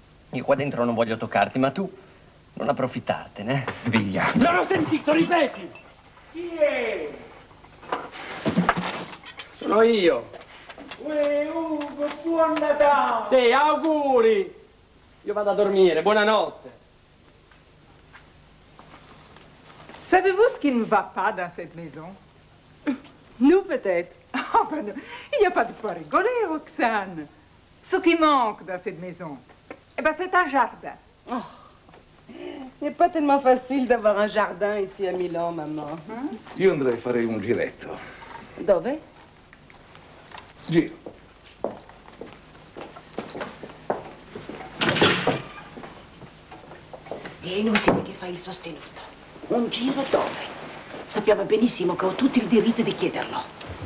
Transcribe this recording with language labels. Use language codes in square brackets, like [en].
[it] Io qua dentro non voglio toccarti, ma tu non approfittartene. Viglia. Non ho sentito, ripeti. Chi è? Sono io. Uè, Ugo, buon Natale. Sì, auguri. Io vado a dormire, buonanotte. [fr] Savez-vous ce qui ne va pas dans cette maison? Nous, peut-être. Oh, pardon. Il n'y a pas de quoi rigoler, Roxane. Ce qui manque dans cette maison, eh ben, c'est un jardin. Oh. Il n'est pas tellement facile d'avoir un jardin ici à Milan, maman. Hein? [it] Io andrei a fare un giretto. Dove? Giro. È inutile che fai il sostenuto. Un giro dove? Sappiamo benissimo che ho tutto il diritto di chiederlo.